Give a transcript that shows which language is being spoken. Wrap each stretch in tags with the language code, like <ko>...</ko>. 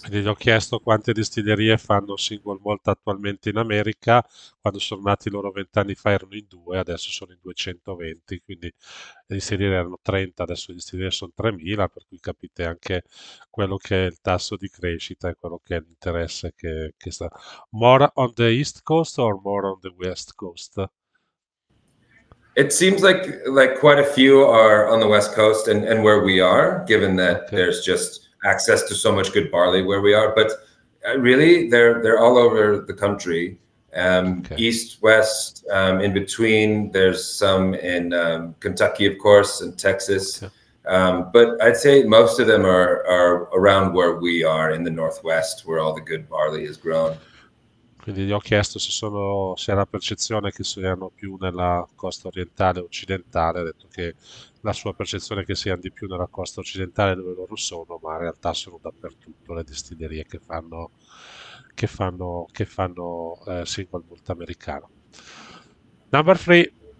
<it>Quindi gli ho chiesto quante distillerie fanno single malt attualmente in America, quando sono nati loro 20 anni fa erano in due, adesso sono in 220, quindi le distillerie erano 30, adesso le distillerie sono 3.000, per cui capite anche quello che è il tasso di crescita e quello che è l'interesse che sta.</it> <en>More on the East Coast or more on the West Coast? It seems like quite a few are on the West Coast and where we are, given that Ok. there's just access to so much good barley where we are. But really, they're all over the country, east, west, in between. There's some in Kentucky, of course, and Texas. But I'd say most of them are around where we are in the Northwest, where all the good barley is grown.</en> <it>Quindi gli ho chiesto se è la percezione che siano più nella costa orientale o occidentale, ha detto che la sua percezione è che siano di più nella costa occidentale dove loro sono, ma in realtà sono dappertutto le distillerie che fanno single malt americano.</it> <en>Number three.</en>